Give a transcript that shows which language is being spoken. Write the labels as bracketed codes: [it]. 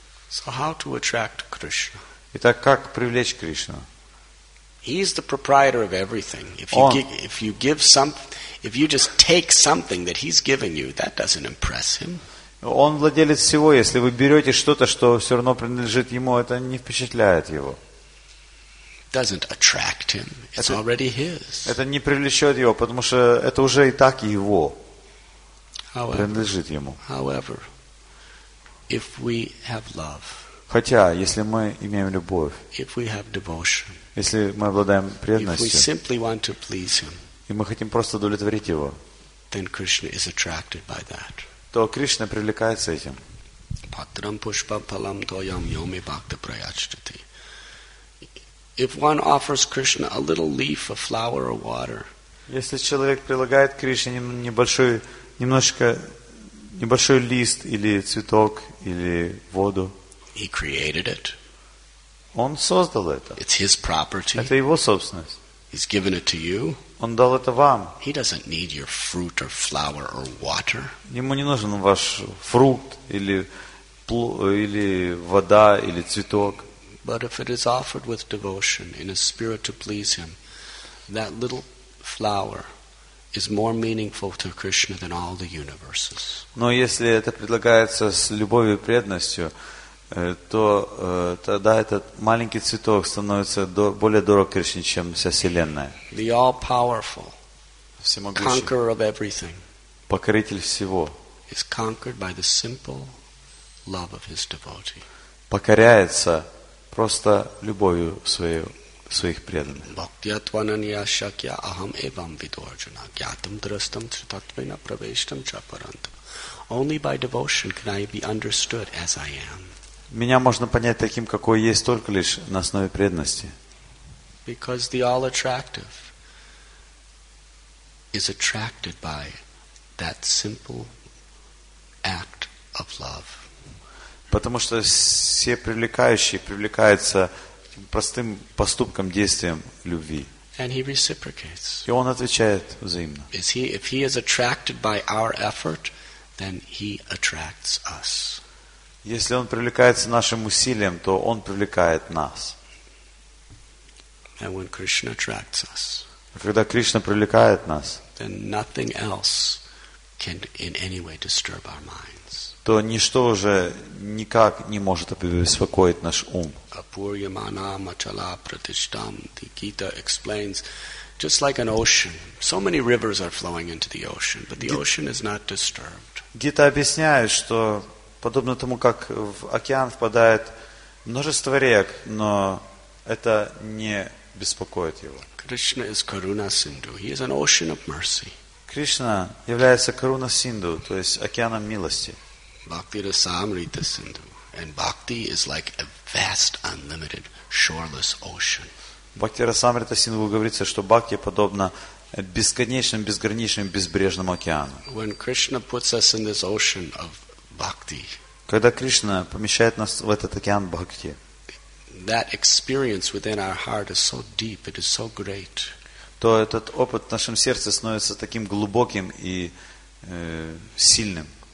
[en] So how to attract Krishna? [ru] Итак, как привлечь Кришну? [en] He is the proprietor of everything. If you just take something that he's giving you, that doesn't impress him. [ru] Он владелец всего. Если вы берете что-то, что все равно принадлежит ему, это не впечатляет его. [en] Doesn't attract him. It's already his. [ru] Это не привлечет его, потому что это уже и так его. Принадлежит ему. [en] However, if we have love, [ru] хотя, если мы имеем любовь, [en] if we have devotion, [ru] если мы обладаем преданностью, [en] if we simply want to please him, [ru] и мы хотим просто удовлетворить его, [en] then Krishna is attracted by that. [ru] То Кришна привлекается этим. [sa] Патрам пушпам палам тоям йоми бхакта праячтити. [en] If one offers Krishna a little leaf, a flower, or water, [ru] если человек предлагает Кришне небольшой немножко небольшой лист или цветок или воду. [en] He created it. [ru] Он создал это. [en] It's his property. [ru] Это его собственность. [en] He's given it to you. [ru] Он дал это вам. [en] He doesn't need your fruit or flower or water. [ru] Ему не нужен ваш фрукт или или вода или цветок. [en] But if it is offered with devotion in a spirit to please him, that little flower is more meaningful to Krishna than all the universes. [ru] Но если это предлагается с любовью и преданностью, то тогда этот маленький цветок становится более дорог Кришне, чем вся вселенная. [en] The all-powerful, [ru] всемогущий, [en] conqueror of everything, [ru] покоритель всего, [en] is conquered by the simple love of his devotee. [ru] Покоряется просто любовью своих преданных. [sa] Бхактиатванания шакья ахам эвам видуарджуна гьятам драстам тритатвена правештам чапарантам. [en] Only by devotion can I be understood as I am. [ru] Меня можно понять таким, какой есть, только лишь на основе преданности. [en] Because the all attractive is attracted by that simple act of love. [ru] Потому что все привлекающие привлекаются простым поступком, действием любви. [en] And he reciprocates. [ru] И он отвечает взаимно. [en] Is he, if he is attracted by our effort, then he attracts us. [ru] Если он привлекается нашим усилием, то он привлекает нас. [en] And when Krishna attracts us, [ru] когда Кришна привлекает нас, [en] then nothing else can in any way disturb our mind. [ru] То ничто уже никак не может обеспокоить наш ум. [sa] Апурьямана мачала пратиштам. [en] The Gita explains, just like an ocean, so many rivers are flowing into the ocean, but the ocean is not disturbed. [ru] Гита объясняет, что подобно тому, как в океан впадает множество рек, но это не беспокоит его. [en] Krishna is Karuna Sindhu. He is an ocean of mercy. [ru] Кришна является Karuna Sindhu, то есть океаном милости. [en] Bhakti Rasamrita Sindhu, and Bhakti is like a vast, unlimited, shoreless ocean. [ru] Bhakti Rasamrita Sindhu говорится, что Бхакти подобно бесконечному, безграничному, безбрежному океану. [en] When Krishna puts us in this ocean of Bhakti, [ru] когда Кришна помещает нас в этот океан Бхакти, [en] that experience within our heart is so deep, it is so great. [ru] То этот опыт в нашем сердце становится таким глубоким и сильным.